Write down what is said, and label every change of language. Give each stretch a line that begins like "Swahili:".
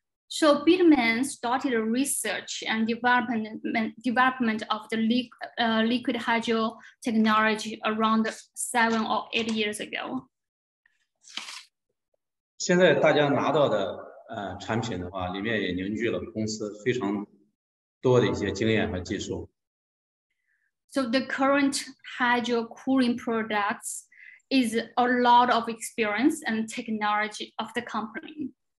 English: So BITMAIN started research and development of the liquid hydro technology around 7 or 8 years ago.
Chinese: 现在大家拿到的产品的话，里面也凝聚了公司非常多的一些经验和技术。
English: So the current hydro cooling products is a lot of experience and technology of the company.